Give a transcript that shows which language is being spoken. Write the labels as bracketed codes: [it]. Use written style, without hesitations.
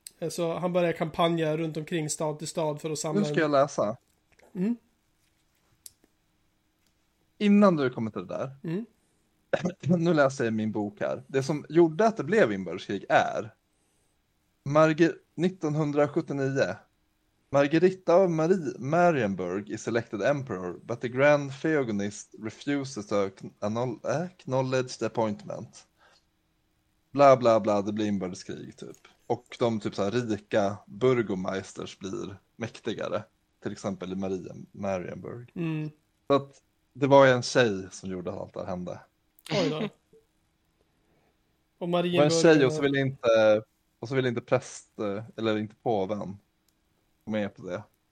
[sv] Så han började kampanja runt omkring stad till stad för att samla... Nu ska jag läsa. Mm. Innan du kommer till det där. Mm. Nu läser jag min bok här. Det som gjorde att det blev inbördeskrig är 1979. [en] Margarita of Marienburg is elected emperor, but the grand theogonist refuses to acknowledge the appointment. [sv] Bla bla bla, det blir inbördeskrig typ. Och de typ så här rika burgomeisters blir mäktigare. Till exempel i Marienburg. Mm. Så att det var ju en tjej som gjorde allt det hände. Oj då. Och Marienburg... Det var en tjej och så ville inte, präst, eller inte påven, med på det.